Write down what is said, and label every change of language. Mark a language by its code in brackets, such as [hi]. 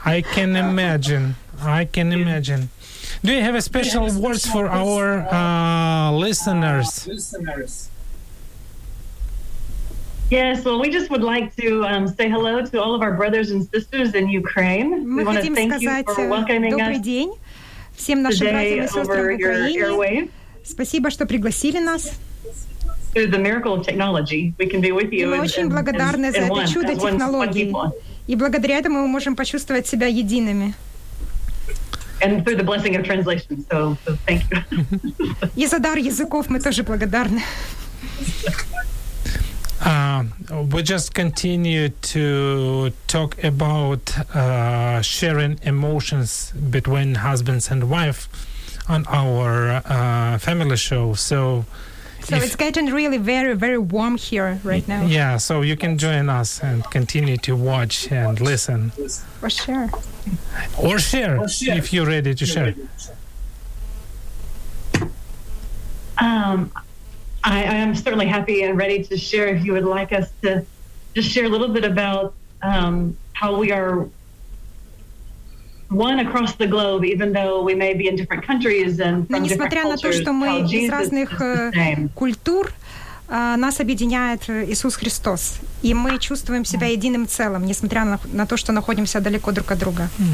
[en] I can imagine. I can imagine. Do you have a special words for our listeners? Yes, well, we just would like to say hello to all of our brothers and sisters in Ukraine. [uk] Ми [en] we want to thank you for welcoming us. [uk] Добрий день всім нашим братам і сестрам в Україні. [ru] Спасибо, що пригласили нас. [en] Through the miracle of technology, we can be with you. [uk] Ми дуже благодарні за це чудо технології. І благодаря цьому ми можемо почувствувати себе єдиними. [en] And through the blessing of translation. So thank you. [uk] І за дар язиків ми теж благодарні. [en] We just continue to talk about sharing emotions between husbands and wife on our family show. So it's getting really very, very warm here right now. Yeah, so you can join us and continue to watch and listen. Or share. Or share, if you're ready to share. I am certainly happy and ready to share if you would like us to just share a little bit about how we are one across the globe, even though we may be in different countries and from different cultures, то, how Jesus is the same. [ru] Культур, нас объединяет Иисус Христос, и мы чувствуем себя единым целым, несмотря на то, что находимся далеко друг от друга.